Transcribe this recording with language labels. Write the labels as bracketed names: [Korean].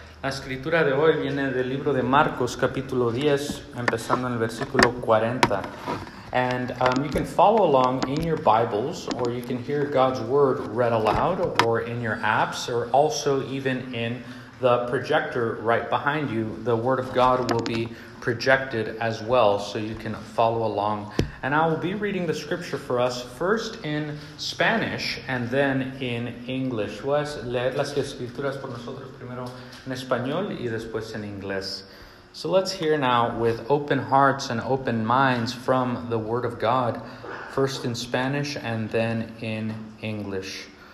[Spanish] La escritura de hoy viene del libro de Marcos, capítulo 10, empezando en el versículo 40. [English] And you can follow along in your Bibles, or you can hear God's word read aloud, or in your apps, or also even in the projector right behind you. The word of God will be projected as well, so you can follow along. And I will be reading the scripture for us first in Spanish and then in English. [Spanish] Voy a leer las escrituras por nosotros primero en español y después en inglés. [English] So let's hear now with open hearts and open minds from the Word of God, first in Spanish and then in English.